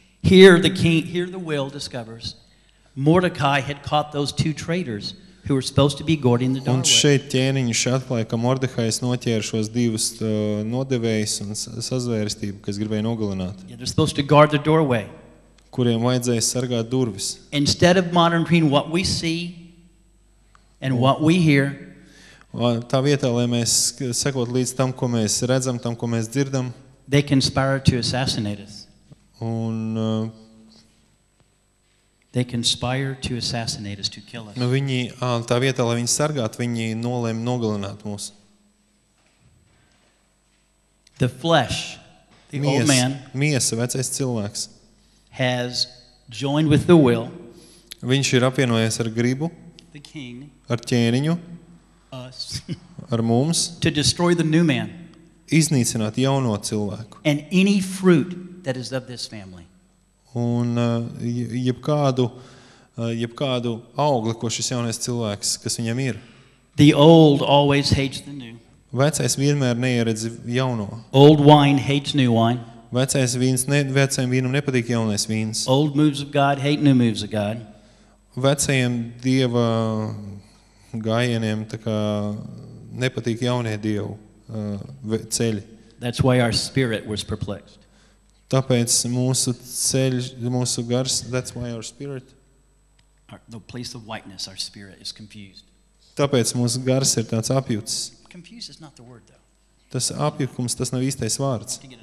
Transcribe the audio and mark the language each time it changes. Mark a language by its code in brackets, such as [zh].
[en] Here the king, here the will discovers Mordecai had caught those two traitors who were supposed to be guarding the doorway. [lv] Un šeit ķēniņš atklāja, ka Mordehais noķēra šos divus nodevējus un sazvērestību, kas gribēja nogalināt. [en] Yeah, they're supposed to guard the doorway. [lv] Kuriem vajadzēja sargāt durvis. [en] Instead of monitoring what we see and what we hear. [lv] Tā vietā, lai mēs sekot līdz tam, ko mēs redzam, tam, ko mēs dzirdam. [en] They conspire to assassinate us. They conspire to assassinate us, to kill us. [lv] Nu, viņi, tā vietā, lai viņi sargātu, viņi nolēma nogalināt mūs. [en] The flesh, the [lv] miesa, [en] old man, [lv] miesa, vecais cilvēks, [en] has joined with the will, [lv] viņš ir apvienojies ar gribu, [en] the king, [lv] ar ķēniņu, [en] us, [lv] ar mums, [en] to destroy the new man, [lv] iznīcināt jauno cilvēku, [en] and any fruit that is of this family. [lv] Un jebkādu augli, ko šis jaunais cilvēks, kas viņam ir. [en] The old always hates the new. [lv] Vecais vienmēr neieredz jauno. [en] Old wine hates new wine. [lv] Vecajam vīnam nepatīk jaunais vīns. [en] Old moves of God hate new moves of God. [lv] Vecajiem Dieva gājieniem tā kā nepatīk jaunie Dievu ceļi. [en] That's why our spirit was perplexed. [lv] Tāpēc mūsu ceļš, mūsu gars, [en] that's why our spirit, the place of whiteness, our spirit is confused. [lv] Tāpēc mūsu gars ir tāds apjucis. [en] Confused is not the word, though. [lv] Tas apjukums, tas nav īstais vārds.